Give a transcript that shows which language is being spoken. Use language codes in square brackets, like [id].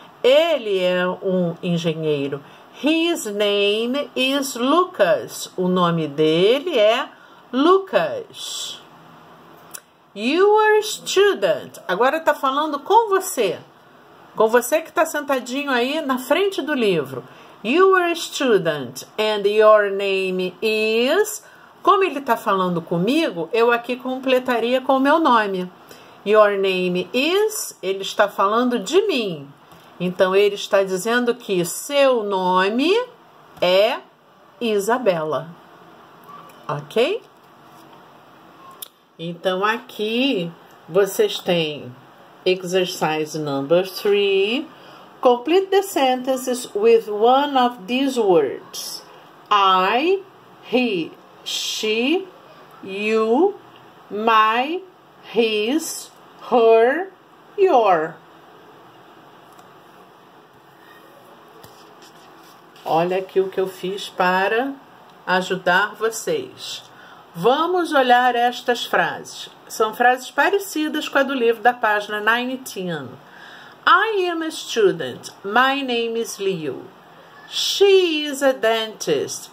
[pt] Ele é um engenheiro. [en] His name is Lucas. [pt] O nome dele é Lucas. [en] You are student. [pt] Agora está falando com você. Com você que está sentadinho aí na frente do livro. [en] You are a student and your name is. [pt] Como ele está falando comigo, eu aqui completaria com o meu nome. [en] Your name is. [pt] Ele está falando de mim. Então ele está dizendo que seu nome é Isabela. Ok? Então aqui vocês têm exercise number 3. [en] Complete the sentences with one of these words: I, he, she, you, my, his, her, your. [pt] Olha aqui o que eu fiz para ajudar vocês. Vamos olhar estas frases. São frases parecidas com a do livro da página 19. [en] I am a student. My name is Leo. She is a dentist.